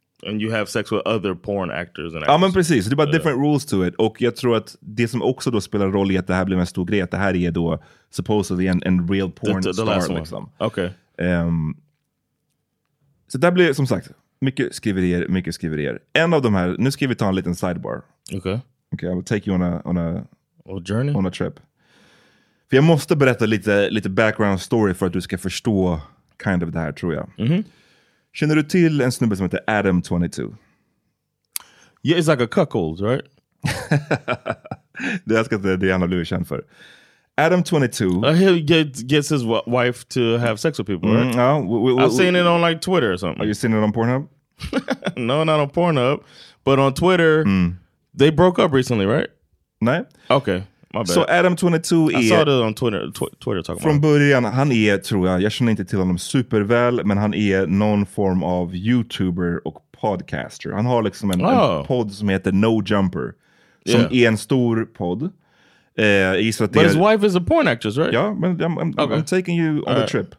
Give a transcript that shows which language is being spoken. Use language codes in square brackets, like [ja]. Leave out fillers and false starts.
[en] And you have sex with other porn actors and [sv] actors. Ja, men precis. Det är bara [en] different rules to it. [sv] Och jag tror att det som också då spelar roll i att det här blir en stor grej, att det här är då [en] supposedly [sv] en [en] real porn the star. Last one. [sv] Liksom. [en] Okay. [sv] Så där blir, som sagt, mycket skriverier, mycket skriverier. En av de här, nu ska vi ta en liten sidebar. Okej. Okay. [en] Okay, I will take you on a journey, on a trip. [sv] För jag måste berätta lite [en] background story [sv] för att du ska förstå [en] kind of [sv] det här, tror jag. Mm-hmm. Känner du till en snubbe som heter Adam 22? [en] Yeah, it's like a cuckold, right? [sv] Det ska det Diana Lewis känd för. [en] Adam 22. He gets his wife to have sex with people, right? Mm, I've seen it on like Twitter or something. Are you seeing it on Pornhub? No, not on Pornhub. But on Twitter, they broke up recently, right? No. Okay, my bad. So Adam 22 I saw it on Twitter, Twitter talking from about. [sv] From början, han är, tror jag, jag känner inte till honom superväl, men han är någon form av YouTuber och podcaster. Han har liksom en podd som heter No Jumper, som är en stor podd. [en] But his wife is a porn actress, right? [sv] Ja, men [en] I'm taking you on the trip.